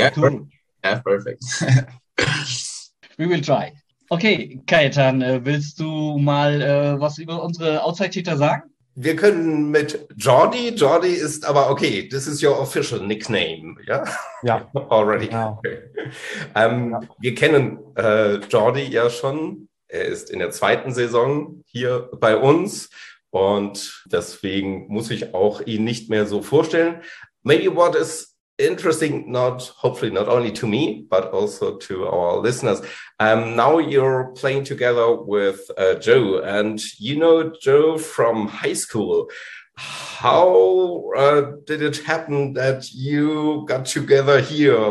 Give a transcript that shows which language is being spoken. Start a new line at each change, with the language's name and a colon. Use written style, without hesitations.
English: Arthur. Yeah, perfect. We will try.
German: Okay, Kaetan, willst du mal was über unsere Outside-Hitter sagen? Wir können mit Jordi. Jordi ist aber okay.
English: This is your official nickname, ja?
German: Ja.
English: Already. Genau. Okay.
German: Wir kennen Jordi ja schon. Er ist in der zweiten Saison hier bei uns. Und deswegen muss ich auch ihn nicht mehr so vorstellen.
English: Maybe what is interesting, hopefully not only to me, but also to our listeners. Now you're playing together with Joe, and you know Joe from high school. How did it happen that you got together here?